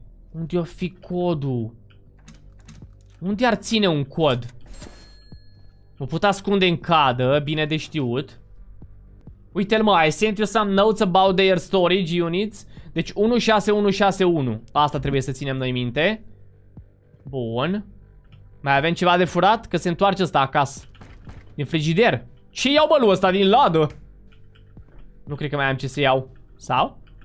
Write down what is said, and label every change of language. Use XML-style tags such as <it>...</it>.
<ro>Unde o fi codul? Unde ar ține un cod? Mă pot ascunde în cadă, bine de știut. Uite-l mă,</ro> <en>I sent you some notes about their storage units.</en> <ro>Deci 16161. Asta trebuie să ținem noi minte. Bun. Mai avem ceva de furat? Că se întoarce ăsta acasă. Din frigider. Ce iau bălul ăsta din ladă? Nu cred că mai am ce să iau. Sau?</ro>